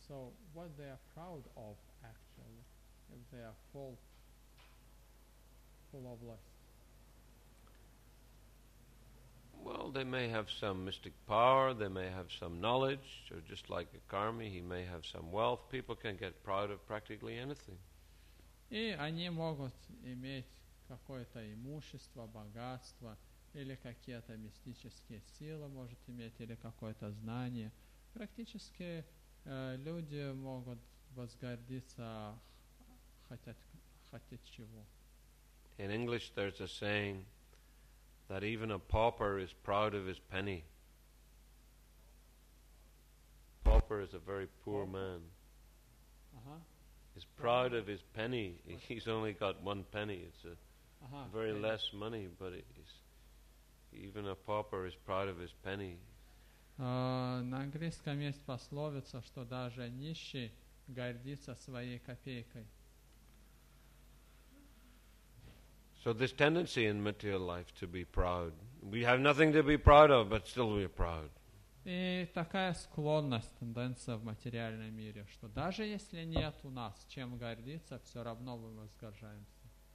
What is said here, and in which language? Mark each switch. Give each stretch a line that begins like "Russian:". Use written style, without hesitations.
English: So what they are proud of actually, if they are full of lust. Well, they may have some mystic power, they may have some knowledge, or just like a Karmi, he may have some wealth. People can get proud of practically anything.
Russian: И они могут иметь какое-то имущество, богатство, или какие-то мистические силы может иметь, или какое-то знание. Практически люди могут возгордиться, хотеть чего.
English: In English there's a saying that even a pauper is proud of his penny. Pauper is a very poor man. Uh-huh. He's proud of his penny. He's only got one penny. It's a very less money, but even a pauper is proud of his penny.
Russian: На английском есть пословица, что даже нищий гордится своей копейкой.
English: So this tendency in material life to be proud. We have nothing to be proud of, but still we are proud.
Russian: И такая склонность, тенденция в материальном мире, что даже если нет у нас чем гордиться, все равно мы возгоржаемся.